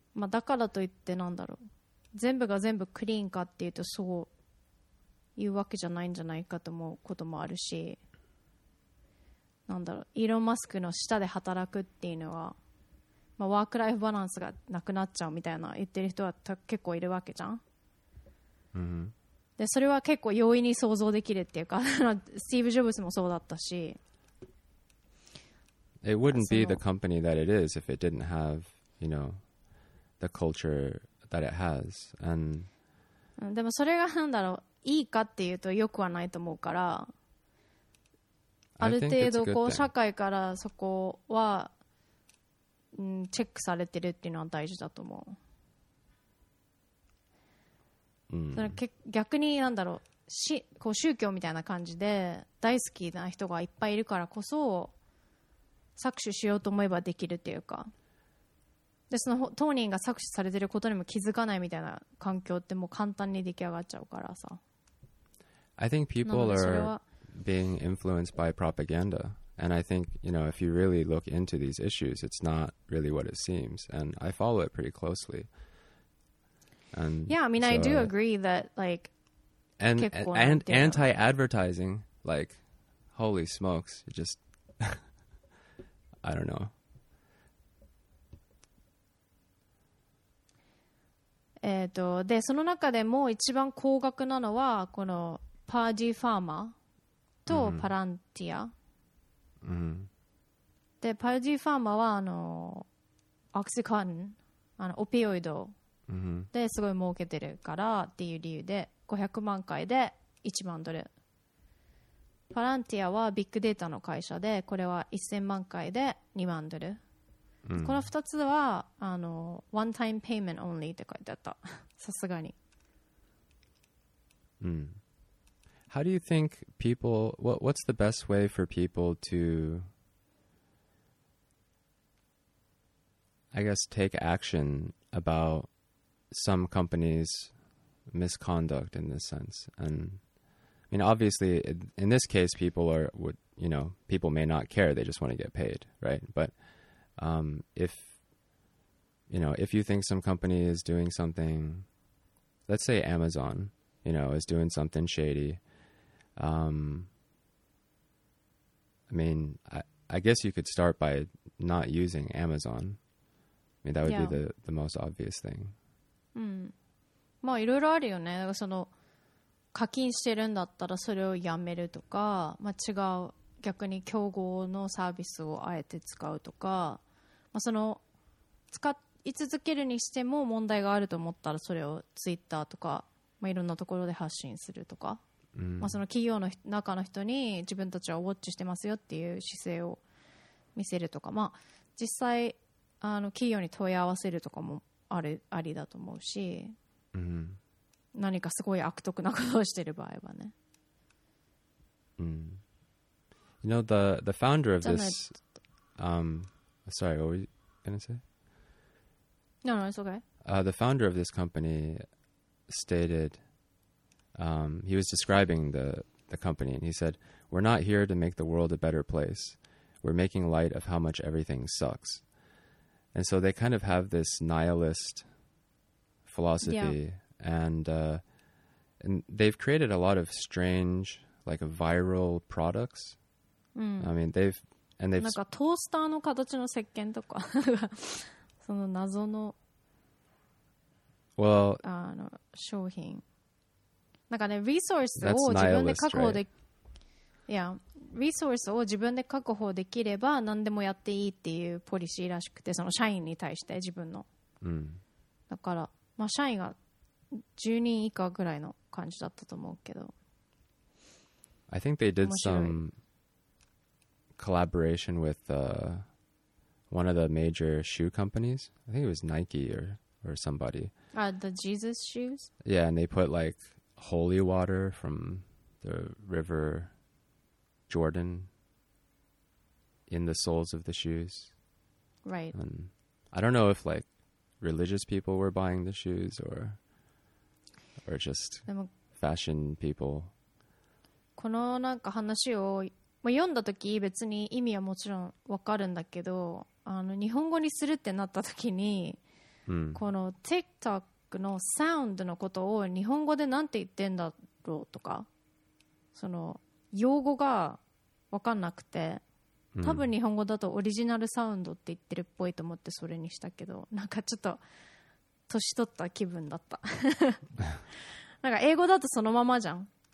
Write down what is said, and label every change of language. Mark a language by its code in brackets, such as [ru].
[ja] まあ、だからといってなんだろう、全部が全部クリーンかっていうとそういうわけじゃないんじゃないかと思うこともあるし、なんだろう、イーロン・マスクの下で働くっていうのは、まあ、ワークライフバランスがなくなっちゃうみたいな言ってる人は結構いるわけじゃん、うん、でそれは結構容易に想像できるっていうか、スティーブ・ジョブズもそうだったし、 [en] It wouldn't be the company that it is if it didn't have, you know, the culture that it has. And [ja] でもそれがなんだろう、いいかっていうと良くはないと思うから、ある程度こう社会からそこはチェックされてるっていうのは大事だと思う。それ逆になんだろう、こう宗教みたいな感じで大好きな人がいっぱいいるからこそ搾取しようと思えばできるっていうか、でその当人が搾取されてることにも気づかないみたいな環境ってもう簡単に出来上がっちゃうからさ。 [en] I think people are being influenced by propaganda. And I think, you know, if you really look into these issues, it's not really what it seems. And I follow it pretty closely. And yeah, I mean, so, I do agree that, like, and anti-advertising, like, holy smokes, it just, I don't know. [ja] で、その中でも一番高額なのはこのパーディファーマーとパランティア、うん、でパーディファーマーはあのオキシコーテン、あのオピオイドですごい儲けてるからっていう理由で500万回で1万ドル、パランティアはビッグデータの会社でこれは1000万回で2万ドル、うん、この2つはあのワンタイムペイメントオンリーって書いてあった。さすがに。うん。 [en] How do you think people, what's the best way for people to, I guess, take action about some companies' misconduct in this sense? And I mean, obviously, in this case, people are, would, you know, people may not care. They just want to get paid, right? But if, you know, if you think some company is doing something, let's say Amazon, you know, is doing something shady, I mean, I guess you could start by not using Amazon. I mean, that would be the most obvious thing. Mm. [ja] まあ、いろいろあるよね。だからその、課金してるんだったらそれをやめるとか、まあ、違う、逆に競合のサービスをあえて使うとか、まあ、その使い続けるにしても問題があると思ったらそれをツイッターとか、まあ、いろんなところで発信するとか、うん、まあ、その企業の中の人に自分たちはウォッチしてますよっていう姿勢を見せるとか、まあ、実際あの企業に問い合わせるとかもありだと思うし、うん、何かすごい悪徳なことをしてる場合はね、 [en] うん、You know the founder of this Sorry, what were you going to say? No, it's okay. The founder of this company stated, he was describing the company, and he said, "We're not here to make the world a better place. We're making light of how much everything sucks." And so they kind of have this nihilist philosophy, yeah. And they've created a lot of strange, like, viral products. Mm. I mean, they've... And [ja] なんかトースターの形の石鹸とかその謎の、 [en] well, [ja] あの商品なんかね、リソースを自分で確保で、 [en] right? [ja] いや、リソースを自分で確保できれば何でもやっていいっていうポリシーらしくて、その社員に対して自分の、 mm. だから、まあ、社員が10人以下ぐらいの感じだったと思うけど、 [en] I think they did somecollaboration with one of the major shoe companies. I think it was Nike or somebody. The Jesus shoes? Yeah, and they put like holy water from the river Jordan in the soles of the shoes. Right. And I don't know if like religious people were buying the shoes or just fashion people. [ja] このなんか話を読んだとき別に意味はもちろんわかるんだけど、あの日本語にするってなったときに、うん、この TikTok のサウンドのことを日本語でなんて言ってんだろうとか、その用語がわかんなくて、多分日本語だとオリジナルサウンドって言ってるっぽいと思ってそれにしたけど、なんかちょっと年取った気分だったなんか英語だとそのままじゃん、